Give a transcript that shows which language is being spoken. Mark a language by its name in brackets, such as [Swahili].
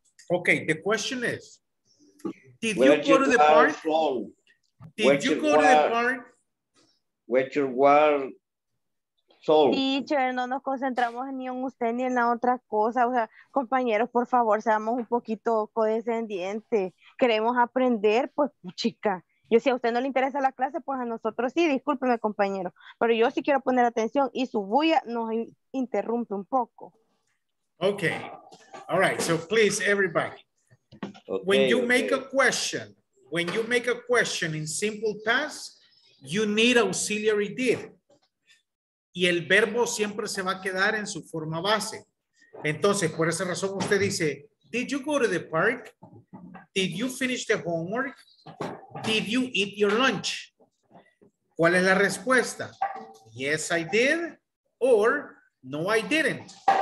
[English] Okay, the question is, did you go to the park? From? [Spanish] Teacher, no nos concentramos ni en usted ni en la otra cosa. O sea, compañeros, por favor, seamos un poquito condescendientes. Queremos aprender, pues, chica. Yo, si a usted no le interesa la clase, pues a nosotros sí. Discúlpeme, compañero. Pero yo sí quiero poner atención y su bulla nos interrumpe un poco. [English] Okay. All right. So, please, everybody. Okay, when you make a question in simple past, you need auxiliary did. [Spanish] Y el verbo siempre se va a quedar en su forma base. Entonces, por esa razón usted dice, [English] did you go to the park? Did you finish the homework? Did you eat your lunch? [Spanish] ¿Cuál es la respuesta? [English] Yes, I did. Or, no, I didn't.